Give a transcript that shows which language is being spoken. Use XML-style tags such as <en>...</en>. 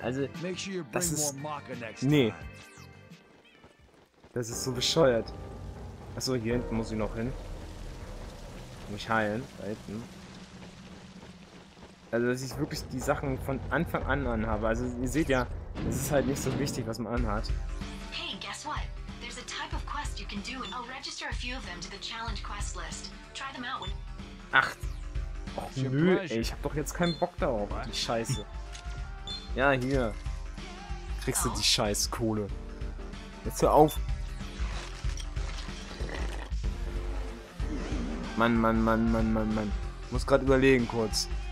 <de>Also, das ist... Nee. Das ist so bescheuert. Achso, hier hinten muss ich noch hin. Mich heilen, da hinten. Also, dass ich wirklich die Sachen von Anfang an anhabe. Also, ihr seht ja, es ist halt nicht so wichtig, was man anhat.</de> <en>Hey, guess what? There's a type of quest you can do and I'll register a few of them to the challenge quest list. Try them out when...</en> <de>Acht. Och nö, ey, ich hab doch jetzt keinen Bock darauf, die Scheiße. Ja, hier. Kriegst du die Scheißkohle. Jetzt hör auf. Mann. Muss gerade überlegen kurz.</de>